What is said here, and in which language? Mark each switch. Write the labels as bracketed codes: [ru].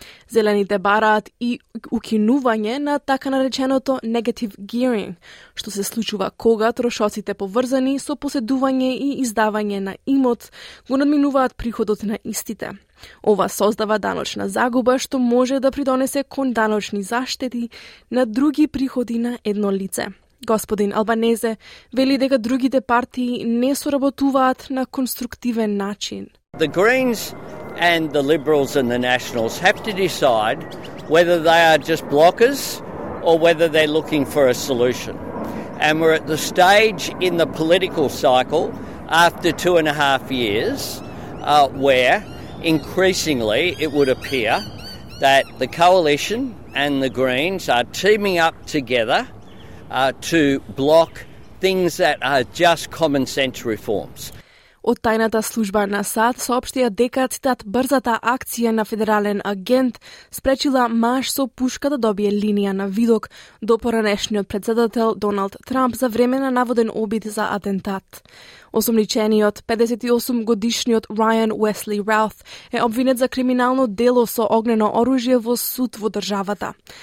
[mk] Зелените бараат и укинување на така нареченото negative gearing, што се случува кога трошоците поврзани со поседување и издавање на имот го надминуваат приходот на истите. Ова создава даночна загуба што може да придонесе кон даночни заштети на други приходи на едно лице. Господин Албанезе вели дека другите партии не соработуваат на конструктивен начин. [en] The Greens and the Liberals and the Nationals have to decide whether they are just blockers or whether they're looking for a solution. And we're at the stage in the political cycle after 2.5 years where increasingly it would appear that the Coalition and the Greens are teaming up together to block things that are just common sense reforms. [mk] Од тајната служба на САД соопштија дека, цитат, брзата акција на федерален агент спречила маж со пушка да добие линија на видок до поранешниот председател Доналд Трамп за време на наводен обид за атентат. Осумничениот 58-годишниот Райан Уесли Рауф е обвинет за криминално дело со огнено оружје во суд во државата.